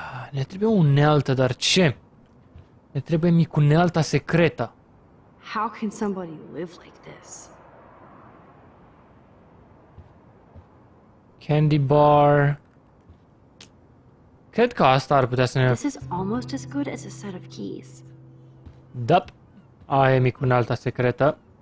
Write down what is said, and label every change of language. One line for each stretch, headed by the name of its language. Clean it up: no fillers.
Romanian: Ne trebuie unealtă, dar ce? Ne trebuie micunealta secretă.
English: How can somebody live like this? Candy bar.
Romanian: Cred că asta ar putea să ne...
English: This is almost as good as a set of keys. Dup.
Romanian: Aia e micunealta secretă.